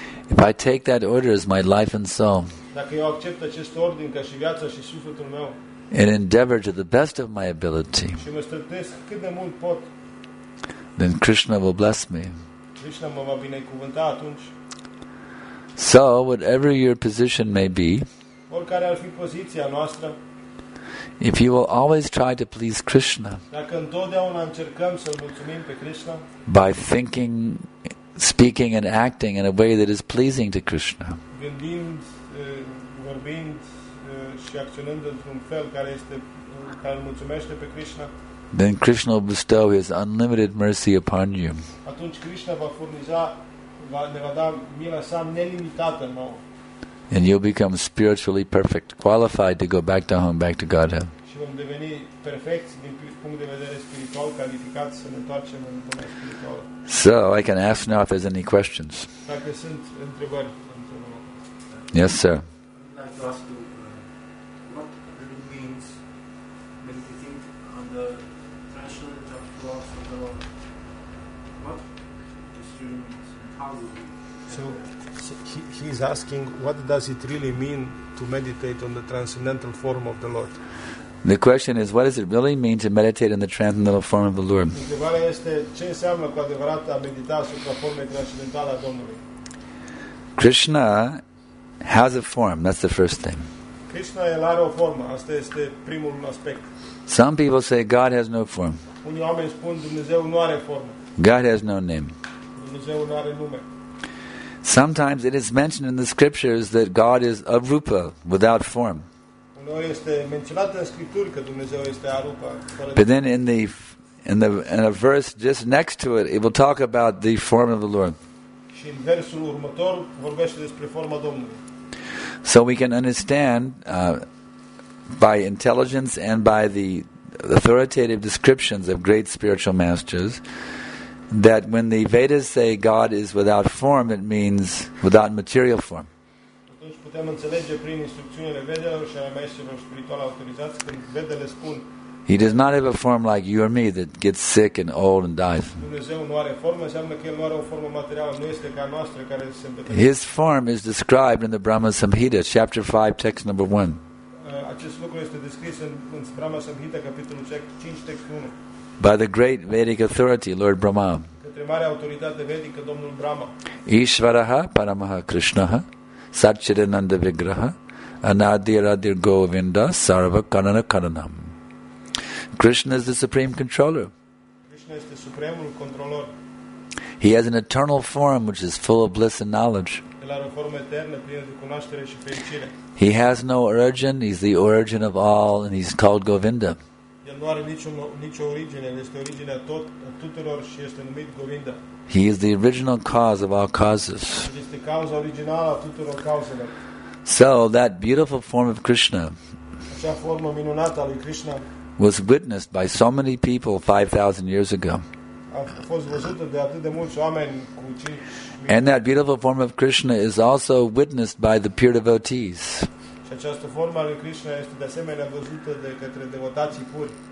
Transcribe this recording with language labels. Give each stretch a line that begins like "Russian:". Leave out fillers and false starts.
English: If I take that order as my life and soul,
Romanian: dacă eu accept acest ordin ca și viața și sufletul meu,
English: and endeavor to the best of my ability,
Romanian: și mă strătesc cât de mult pot,
English: then Krishna will bless me.
Romanian: Krishna mă va binecuvânta atunci.
English: So, whatever your position may be,
Romanian: oricare ar fi poziția noastră,
English: if you will always try to please Krishna,
Romanian: dacă întotdeauna încercăm să-L mulțumim pe Krishna,
English: by thinking, speaking and acting in a way that is pleasing to Krishna,
Romanian: gândind, vorbind și acționând într-un fel care este care îl mulțumește pe Krishna,
English: then Krishna will bestow his unlimited mercy upon you.
Romanian: Atunci Krishna va furniza, ne va da mila sa nelimitată nouă.
English: And you'll become spiritually perfect, qualified to go back to home, back to Godhead.
Romanian: Și vom deveni perfecți din punct de vedere spiritual, calificat să ne întoarcem în lumea spirituală.
English: So I can ask now if there's any questions.
Romanian: Dacă sunt întrebări.
English: Yes, sir. I'd like to ask you, what really means meditating on the transcendental thoughts of the Lord? What does it really mean? How do you meditate? So he's asking, what does it really mean to meditate on the transcendental form of the Lord? The question is, what does it really mean to meditate in the transcendental form of the Lord?
Romanian: Întrebarea este, ce înseamnă cu adevărat a medita asupra formei transcendentale a Domnului?
English: Krishna has a form, that's the first thing.
Romanian: Krishna, el are o formă. Asta este primul aspect.
English: Some people say God has no form.
Romanian: Unii oameni spun Dumnezeu nu are formă.
English: God has no name.
Romanian: Dumnezeu nu are nume.
English: Sometimes it is mentioned in the scriptures that God is arupa, without form.
Romanian: Uneori este menționat în scripturi că Dumnezeu este arupa.
English: But then in a verse just next to it, it will talk about the form of the Lord.
Romanian: Și în versul următor vorbește despre forma Domnului.
English: So we can understand by intelligence and by the authoritative descriptions of great spiritual masters that when the Vedas say God is without form, it means without material form.
Romanian: Atunci putem înțelege prin instrucțiunile Vedelor și ale maestrilor spirituali autorizați când Vedele spun
English: He does not have a form like you or me that gets sick and old and dies.
Romanian: Dumnezeu nu are formă, înseamnă că el nu are o formă materială, nu este ca noastră care se îmbătrânește.
English: His form is described in the Brahma Samhita, chapter 5, text number 1.
Romanian: Acest lucru este descris în Brahma Samhita, capitolul 5, text 1.
English: By the great Vedic authority, Lord Brahma.
Romanian: Către marea autoritate vedică, Domnul Brahma.
Sanskrit: Ishvaraha Paramaha Krishnaha Satchidananda Vigraha Anadiradir Govinda Sarva Kanana Kananam.
English: Krishna is the supreme controller.
Romanian: Krishna este supremul controlor.
English: He has an eternal form which is full of bliss and knowledge.
Romanian: El are o formă eternă plină de cunoaștere și fericire.
English: He has no origin, he's the origin of all and he's called Govinda.
Romanian: El nu are nicio origine, el este originea tuturor și este numit Govinda.
English: He is the original cause of all causes.
Romanian: El este cauza originală a tuturor cauzelor.
English: So that beautiful form of Krishna,
Romanian: Cea formă minunată a lui Krishna
English: was witnessed by so many people 5,000 years ago.
Romanian: A fost văzută de atât de mulți oameni cu 5,000.
English: And that beautiful form of Krishna is also witnessed by the pure devotees.
Romanian: Și această formă a lui Krishna este de asemenea văzută de către devotații puri.